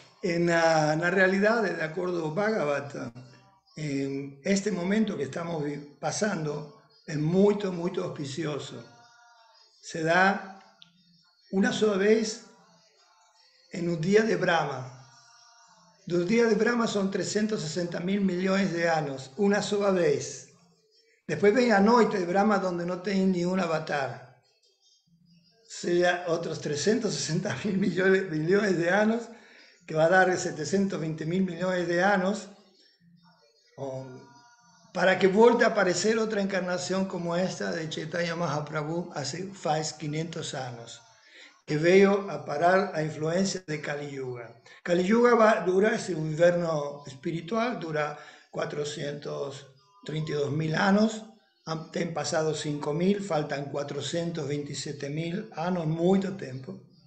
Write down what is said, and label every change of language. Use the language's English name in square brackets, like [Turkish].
[Portuguese] Na realidade, de acordo com o Bhagavata, este momento que estamos passando é muito, muito auspicioso. [Spanish] Se dá una sola vez en un día de Brahma. Los días de Brahma son 360 mil millones de años, una sola vez. Después viene la noche de Brahma donde no tiene ni un avatar. Sería otros 360 mil millones de años, que va a dar 720 mil millones de años, para que vuelva a aparecer otra encarnación como esta de Chaitanya Mahaprabhu hace 500 años. [Portuguese] Que veio a parar a influência de Kali Yuga. Kali Yuga dura esse inverno espiritual, dura 432 mil anos, tem passado 5 mil, faltam 427 mil anos, muito tempo.